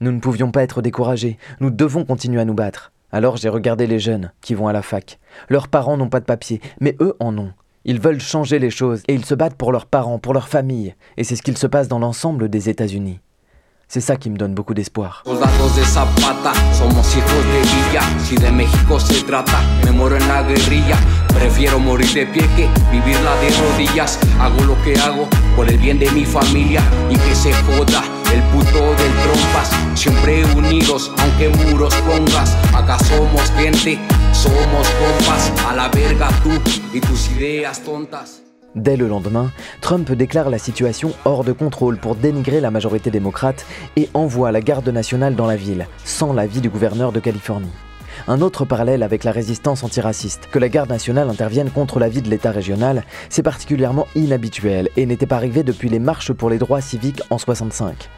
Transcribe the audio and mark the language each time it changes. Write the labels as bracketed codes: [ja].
[fr] Nous ne pouvions pas être découragés. Nous devons continuer à nous battre. Alors j'ai regardé les jeunes qui vont à la fac. Leurs parents n'ont pas de papier, mais eux en ont. Ils veulent changer les choses et ils se battent pour leurs parents, pour leur famille. Et c'est ce qu'il se passe dans l'ensemble des États-Unis. C'est ça qui me donne beaucoup d'espoir. [es] Soldados de Zapata, somos hijos de Villa. Si de México se trata, me muero en la guerrilla. Prefiero morir de pie que vivirla de rodillas. Hago lo que hago por el bien de mi familia. Y que se joda el puto del trompas. Siempre unidos, aunque muros pongas. Acá somos gente, somos compas. A la verga tú y tus ideas tontas. [fr] Dès le lendemain, Trump déclare la situation hors de contrôle pour dénigrer la majorité démocrate et envoie la garde nationale dans la ville, sans l'avis du gouverneur de Californie. Un autre parallèle avec la résistance antiraciste, que la garde nationale intervienne contre l'avis de l'État régional, c'est particulièrement inhabituel et n'était pas arrivé depuis les marches pour les droits civiques en 65.